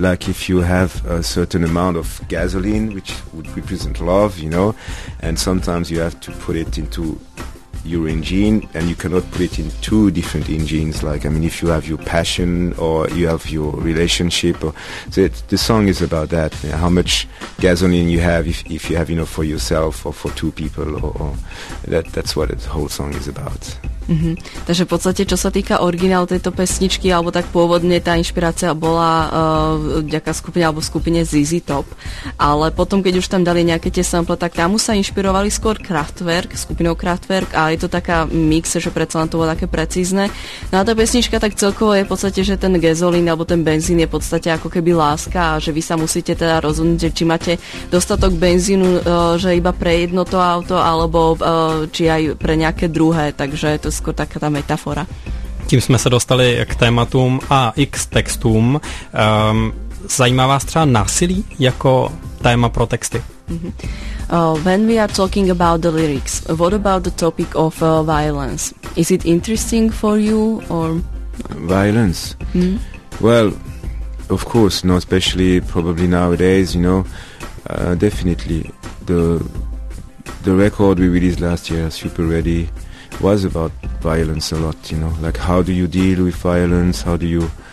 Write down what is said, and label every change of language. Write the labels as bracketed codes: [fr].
[en] Like if you have a certain amount of gasoline, which would represent love, you know, and sometimes you have to put it into your engine, and you cannot put it in two different engines. Like, I mean, if you have your passion or you have your relationship, or the song is about that, you know, how much gasoline you have, if you have, you know, for yourself or for two people, or that's what the whole song is about. Mm-hmm. [sk] Takže v podstate, čo sa týka originál tejto pesničky, alebo tak pôvodne tá inšpirácia bola vďaka skupine alebo skupine ZZ Top, ale potom, keď už tam dali nejaké tie sample, tak tam sa inšpirovali skôr Kraftwerk, skupinou Kraftwerk, a je to taká mix, že predsa len to bolo také precízne. No a tá pesnička tak celkovo je v podstate, že ten gasolín alebo ten benzín je v podstate ako keby láska, a že vy sa musíte teda rozhodnúť, či máte dostatok benzínu, že iba pre jedno to auto, alebo či aj pre nejaké druhé, takže to skôr taká tá metafora. [cs] Tím sme sa dostali k tématům a i k textům. Zajímá vás třeba násilí ako téma pro texty? [en] When we are talking about the lyrics, what about the topic of violence? Is it interesting for you or... Violence? Mm-hmm. Well, of course, no, especially probably nowadays, you know, definitely. The record we released last year, Super Ready, was about violence a lot, you know, like how do you deal with violence, how do you